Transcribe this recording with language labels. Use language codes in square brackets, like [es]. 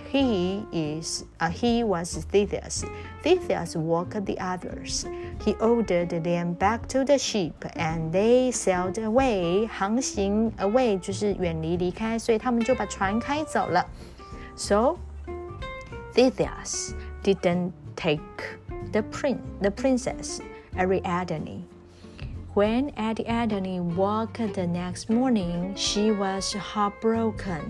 [en] He was Theseus. Theseus woke the others. He ordered them back to the ship, and they sailed away. [zh] 航行 away 就是远离离开，所以他们就把船开走了。 [en] So Theseus didn't take the princess Ariadne, who When Adeline woke the next morning, she was heartbroken.